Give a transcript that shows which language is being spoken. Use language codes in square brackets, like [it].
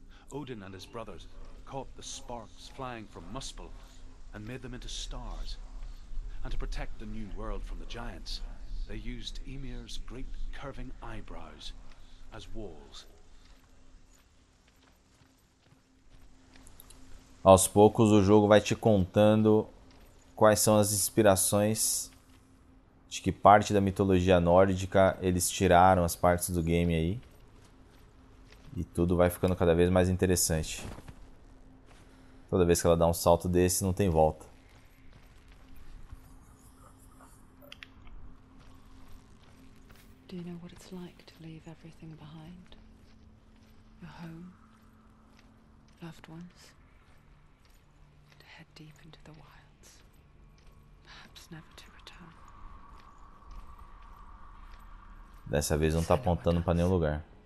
[en] Odin and his brothers caught the sparks flying from Muspel and made them into stars. And to protect the new world from the giants, they used Ymir's great curving eyebrows as walls. [pt] Aos poucos o jogo vai te contando quais são as inspirações, de que parte da mitologia nórdica eles tiraram as partes do game aí. E tudo vai ficando cada vez mais interessante. Toda vez que ela dá um salto desse, não tem volta. [en] Do you know what it's like to leave everything behind? Your home, loved ones, to head deep into the wilds, perhaps never to return. [pt] Dessa vez não tá apontando para nenhum lugar.